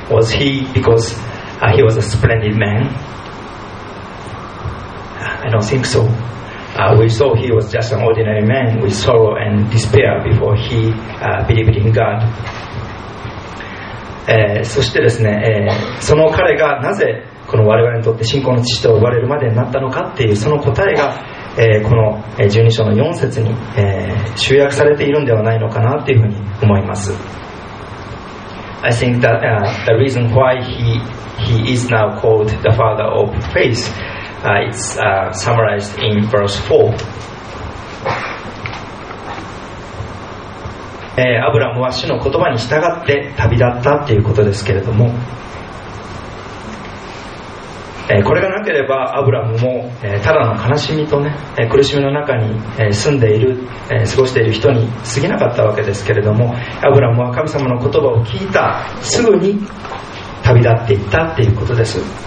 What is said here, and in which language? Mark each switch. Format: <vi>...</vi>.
<en>Was he because he was a splendid man? I don't think so. We saw he was just an ordinary man with sorrow and despair before he believed in God.</en> <ja>そしてですね、その彼がなぜこの我々にとって信仰の父と呼ばれるまでになったのかっていうその答えが、この12章の4節に集約されているのではないのかなというふうに思います。</ja> <en>I think that the reason why he is now called the father of faith is summarized in verse 4.</en> <ja>アブラムは主の言葉に従って旅立ったということですけれども、これがなければアブラムもただの悲しみとね、苦しみの中に住んでいる、過ごしている人に過ぎなかったわけですけれども、アブラムは神様の言葉を聞いたすぐに旅立っていったっていうことです。</ja>